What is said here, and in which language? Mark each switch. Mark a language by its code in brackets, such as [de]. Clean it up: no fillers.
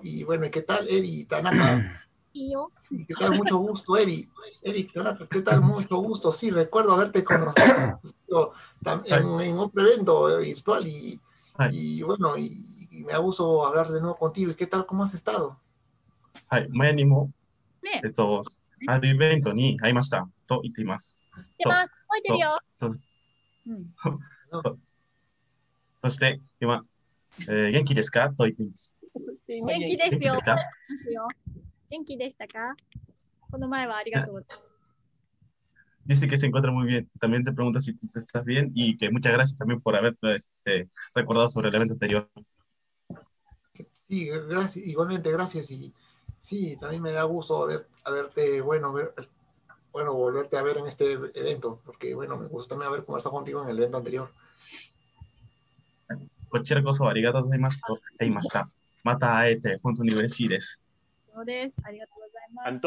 [es] Y bueno, ¿y qué tal, Eri Tanaka? ¿Y yo? Sí, ¿qué tal? Mucho gusto, Eri. Eri Tanaka, ¿qué tal? Mucho gusto. Sí, recuerdo haberte conocido en un evento virtual y bueno, y me ha gustado hablar de nuevo contigo. ¿Y qué tal? ¿Cómo has estado? Sí, me animo de todos. [ja] あるイベントに会いましたと言っています。でも、覚えてるよ。そして、今、元気ですかと言っています。元気ですよ。元気でしたか？この前はありがとうございます。 [es] Dice que se encuentra muy bien. También te pregunto si tú estás bien y que muchas gracias también por haber recordado sobre el evento anterior. Sí, gracias. Igualmente, gracias. Y... Sí, también me da gusto haberte volverte a ver en este evento, porque bueno, me gustó también haber conversado contigo en el evento anterior. [ja] こちらこそありがとうございます。と言っていました。また会えて本当に嬉しいです。そうです。ありがとうございます。